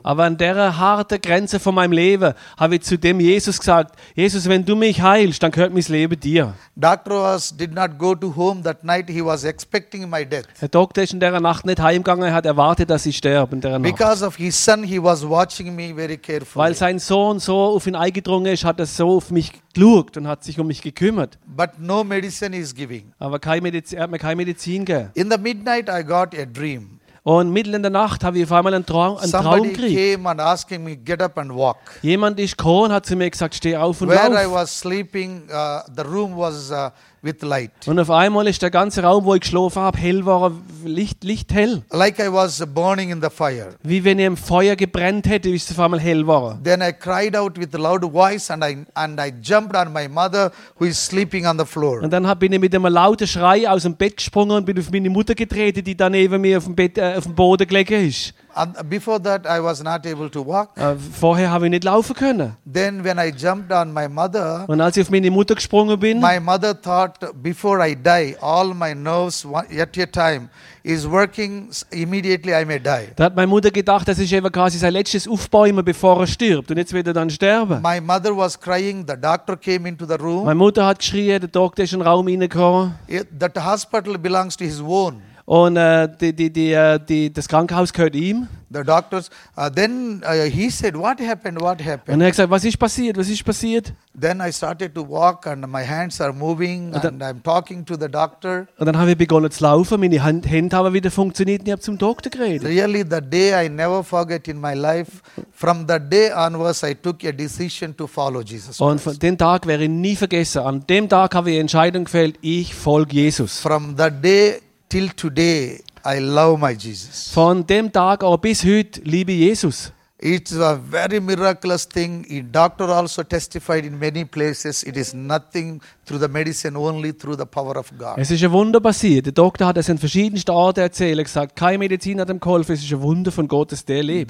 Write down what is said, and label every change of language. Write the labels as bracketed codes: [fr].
[de] Aber an der harten Grenze von meinem Leben habe ich zu dem Jesus gesagt, Jesus, wenn du mich heilst, dann gehört mein Leben dir. [en] Doctor did not go to home that night, he was expecting my death. [de] Der Doktor ist in der Nacht nicht heimgegangen, er hat erwartet, dass ich sterbe in der Nacht. [en] Because of his son, he was watching me very carefully. [de] Weil sein Sohn so auf ihn eingedrungen ist, hat er so auf mich geschaut und hat sich um mich gekümmert. [en] But no medicine is giving. [de] Aber er hat mir keine Medizin gegeben. [en] In the midnight, I got a dream. [de] Und mitten in der Nacht habe ich auf einmal einen Traum gekriegt. [en] Somebody came and asking me, get up and walk. [de] Jemand ist gekommen, hat zu mir gesagt, steh auf und [en] where [de] lauf. [en] Where I was sleeping, the room was with light. [de] Und auf einmal ist der ganze Raum, wo ich geschlafen habe, hell war, Licht hell. [en] Like I was burning in the fire. [de] Wie wenn ich im Feuer gebrannt hätte, ist es auf einmal hell war. [en] Then I cried out with a loud voice and I jumped on my mother who is sleeping on the floor. [de] Und dann bin ich mit einem lauten Schrei aus dem Bett gesprungen und bin auf meine Mutter getreten, die daneben mir auf dem Boden gelegen ist. [en] And before that I was not able to walk. [de] Vorher habe ich nicht laufen können. [en] Then when I jumped on my mother. [de] Und als ich auf meine Mutter gesprungen bin. [en] My mother thought before I die all my nerves at a time is working immediately I may die. [de] Da hat meine Mutter gedacht, das ist eben quasi sein letztes Aufbäumen, bevor er stirbt und jetzt wird er dann sterben. [en] My mother was crying, the doctor came into the room. [de] Meine Mutter hat geschrien, der Doktor ist in den Raum reingekommen. [en] That hospital belongs to his own. [de] Und das Krankenhaus gehört ihm. [en] The doctors, then he said, what happened? [de] Und er hat gesagt, was ist passiert? [en] Then I started to walk and my hands are moving and I'm talking to the doctor. [de] Und dann habe ich begonnen zu laufen, meine Hände haben wieder funktioniert und ich habe zum Doktor geredet. [en] Really, the day I never forget in my life, from that day onwards, I took a decision to follow Jesus [de] Christ. Und von dem Tag werde ich nie vergessen. An dem Tag habe ich die Entscheidung gefällt, ich folge Jesus. [en] From that day till today, I love my Jesus. [de] Von dem Tag auch bis heute liebe ich Jesus. [en] It's a very miraculous thing. The doctor also testified in many places. It is nothing through the medicine, only through the power of God. [de] Es ist ein Wunder passiert. Der Doktor hat es an verschiedensten Orten erzählt, gesagt, keine Medizin hat ihm geholfen. Es ist ein Wunder von Gottes, der lebt.